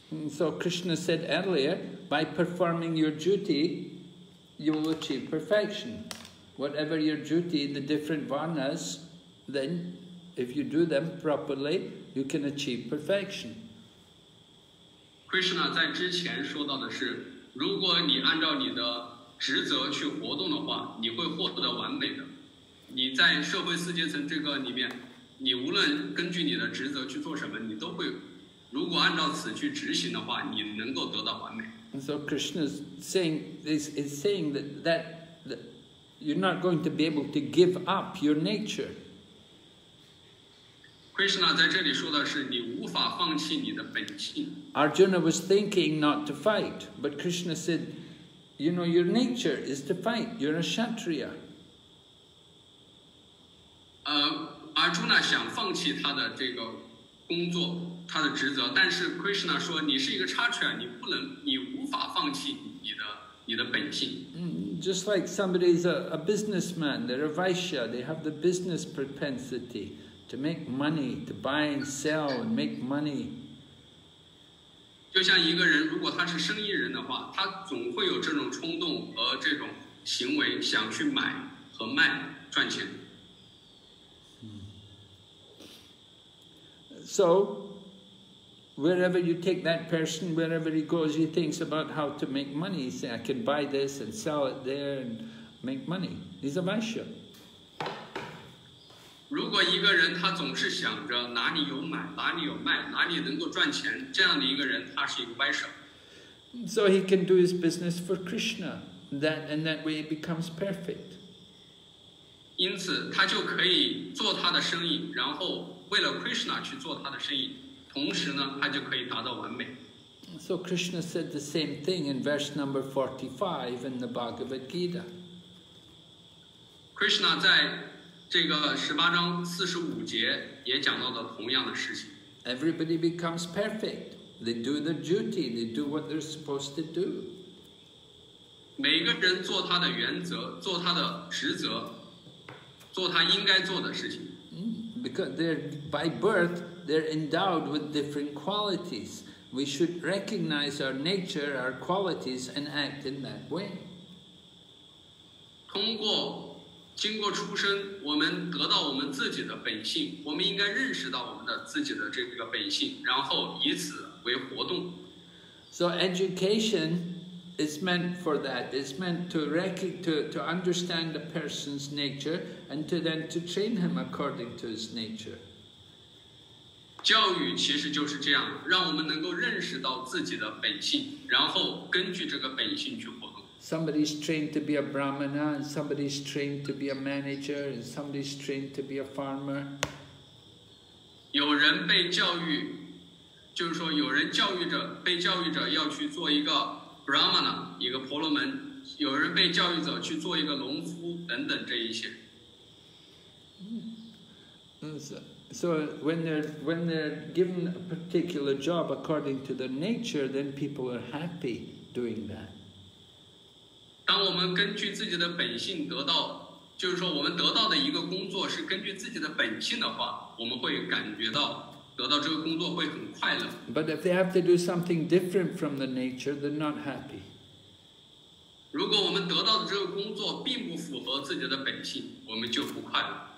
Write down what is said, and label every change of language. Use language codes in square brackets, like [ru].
[en] So Krishna said earlier, by performing your duty, you will achieve perfection. Whatever your duty in the different varnas, then if you do them properly, you can achieve perfection. [zh] Krishna 在之前说到的是，如果你按照你的职责去活动的话，你会获得完美的。你在社会四阶层这个里面，你无论根据你的职责去做什么，你都会，如果按照此去执行的话，你能够得到完美。 [en] And so Krishna is saying this is saying that you're not going to be able to give up your nature. [zh] Krishna 在这里说的是，你无法放弃你的本性。 [en] Arjuna was thinking not to fight, but Krishna said, you know, your nature is to fight, you're a Kshatriya. [zh] Arjuna 想放弃他的这个工作，他的职责，但是 Krishna 说你是一个Kshatriya，你不能，你无法放弃你的本性。 [en] Just like somebody is a businessman, they're a Vaishya, they have the business propensity to make money, to buy and sell and make money. [zh] 就像一个人，如果他是生意人的话，他总会有这种冲动和这种行为，想去买和卖赚钱。 [en] So, wherever you take that person, wherever he goes, he thinks about how to make money. He says, "I can buy this and sell it there and make money." He's a Vaishya. [zh] 如果一个人他总是想着哪里有买，哪里有卖，哪里能够赚钱，这样的一个人，他是一个歪手。 [en] So he can do his business for Krishna, that and that way it becomes perfect. [zh] 因此，他就可以做他的生意，然后为了 Krishna 去做他的生意，同时呢，他就可以达到完美。 [en] So Krishna said the same thing in verse number 45 in the Bhagavad Gita. [zh] Krishna 在这个十八章四十五节也讲到了同样的事情。 [en] Everybody becomes perfect. They do their duty. They do what they're supposed to do. [zh] 每一个人做他的原则，做他的职责，做他应该做的事情。 [en] Because they're by birth, they're endowed with different qualities. We should recognize our nature, our qualities, and act in that way. [zh] 通过经过出生，我们得到我们自己的本性，我们应该认识到我们的自己的这个本性，然后以此为活动。 [en] So education is meant for that. It's meant to understand a person's nature and to then to train him according to his nature. [zh] 教育其实就是这样，让我们能够认识到自己的本性，然后根据这个本性去活动。 [en] Somebody's trained to be a brahmana, and somebody's trained to be a manager, and somebody's trained to be a farmer. [zh] 有人被教育，就是说有人教育者，被教育者要去做一个 brahmana, 一个婆罗门，有人被教育者去做一个农夫，等等这一些。 [en] So when they're given a particular job according to their nature, then people are happy doing that. [zh] 当我们根据自己的本性得到，就是说我们得到的一个工作是根据自己的本性的话，我们会感觉到得到这个工作会很快乐。 [en] But if they have to do something different from the nature, they're not happy. [zh] 如果我们得到的这个工作并不符合自己的本性，我们就不快乐。